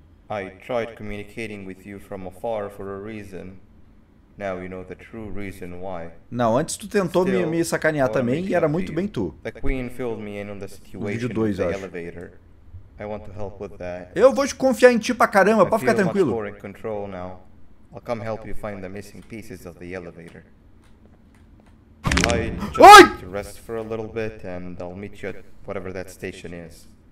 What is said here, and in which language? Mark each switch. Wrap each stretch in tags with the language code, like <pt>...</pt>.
<en>I tried communicating with you from afar for a reason. Now you know the true reason why.</en> <pt>Não, antes tu tentou me sacanear também e era muito bem tu.</pt> <en>The queen filled me in on the situation in the elevator. I want to help with that.</en> <pt>Eu vou te confiar em ti pra caramba, pode ficar tranquilo.</pt> <en>I'll control now. I'll come help you find the missing pieces of the elevator. I just need to rest for a little bit and I'll meet you at whatever that station is.</en>